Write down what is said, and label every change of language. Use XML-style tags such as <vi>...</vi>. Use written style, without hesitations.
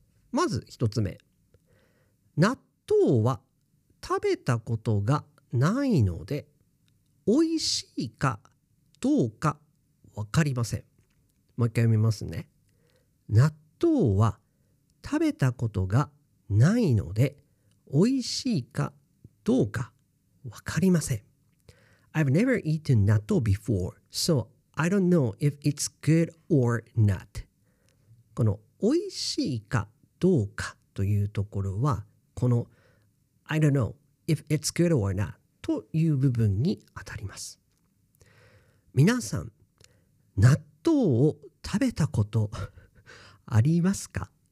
<ja>まず1つ目、納豆は食べたことがないので美味しいかどうか分かりません。もう一回読みますね。納豆は食べたことがないので美味しいかどうか分かりません。</ja> <en>I've never eaten 納豆 before, so I don't know if it's good or not.</en> <ja>この美味しいかどうかというところは、この I don't know if it's good or not という部分にあたります。皆さん、納豆を食べたことありますか？</ja>